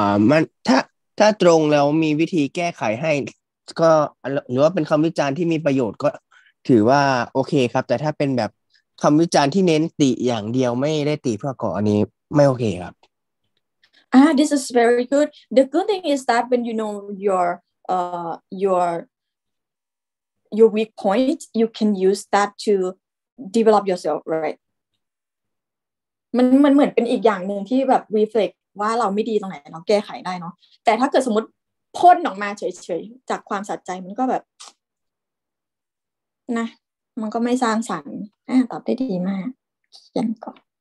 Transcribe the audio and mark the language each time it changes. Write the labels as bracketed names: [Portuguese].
[Thai] มันถ้าตรงแล้วมีวิธีแก้ไขให้ก็หรือว่าเป็นคำวิจารณ์ที่มีประโยชน์ก็ถือว่าโอเคครับแต่ถ้าเป็นแบบ คำวิจารณ์ที่เน้นติอย่างเดียวไม่ได้ติเพื่อก่ออันนี้ไม่โอเคครับ [English] This is very good. The good thing is that when you know your weak point, you can use that to develop yourself, right? [Thai] มันเหมือนเป็นอีกอย่างนึงที่แบบ reflect ว่าเราไม่ดีตรงไหนเราแก้ไขได้เนาะแต่ถ้าเกิดสมมติพ่นออกมาเฉยๆจากความสัจใจมันก็แบบนะมันก็ไม่สร้างสรรค์ตอบได้ดีมากเขียนก่อน